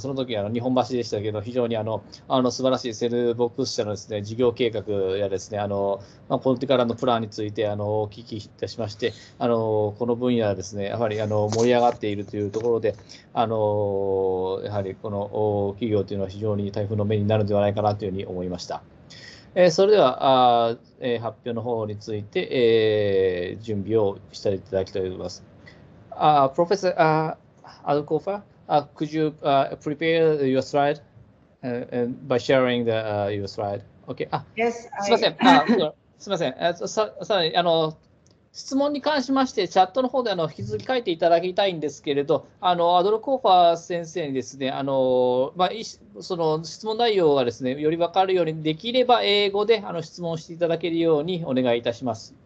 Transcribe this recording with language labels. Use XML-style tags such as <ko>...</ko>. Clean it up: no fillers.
<ja>その時は日本橋でしたけど、非常に素晴らしいセルボックス社のですね、事業計画やですね、この時からのプランについてお聞きいたしまして、この分野はですね、やはり盛り上がっているというところで、やはりこの企業というのは非常に台風の目になるのではないかなというふうに思いました。それでは発表の方について準備をしていただきたいと思います。</ja> <en>Professor Adlkofer, could you prepare your slide by sharing the your slide? Okay. Yes.</en> <ja>すみません。すみません。さらに質問に関しまして、チャットの方で引き続き書いていただきたいんですけれど、アドルコーファー先生にですね、その質問内容がですね、より分かるようにできれば、英語で質問していただけるようにお願いいたします。</ja>